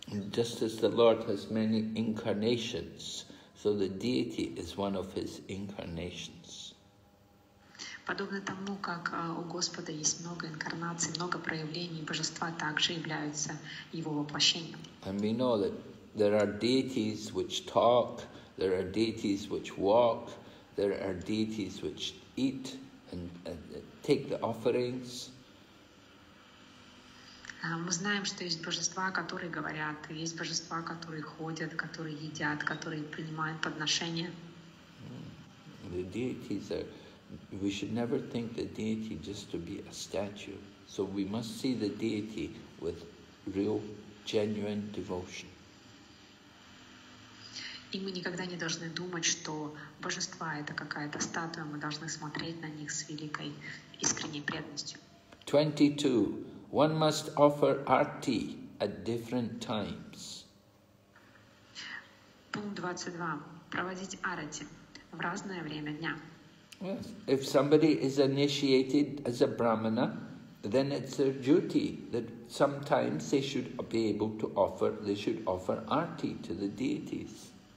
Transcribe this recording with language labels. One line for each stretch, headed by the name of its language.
English: Just as the Lord has many incarnations, so the deity is one of his incarnations.
Russian: Подобно тому, как у Господа есть много инкарнаций, много проявлений, божества также являются его воплощением.
English: And we know that there are deities which talk, there are deities which walk, there are deities which eat and take the offerings.
Russian: Мы знаем, что есть божества, которые говорят, есть божества, которые ходят, которые едят, которые принимают подношения.
English: The deities are, we should never think the deity just to be a statue. So we must see the deity with real, genuine devotion.
Russian: И мы никогда не должны думать, что божества — это какая-то статуя, мы должны смотреть на них с великой, искренней преданностью.
English: 22. One must offer arti at different times.
Russian: Пункт 22. Проводить арати в разное время дня.
English: Yes. If somebody is initiated as a brahmana, then it's their duty that sometimes they should be able to offer, they should offer arti to the deities.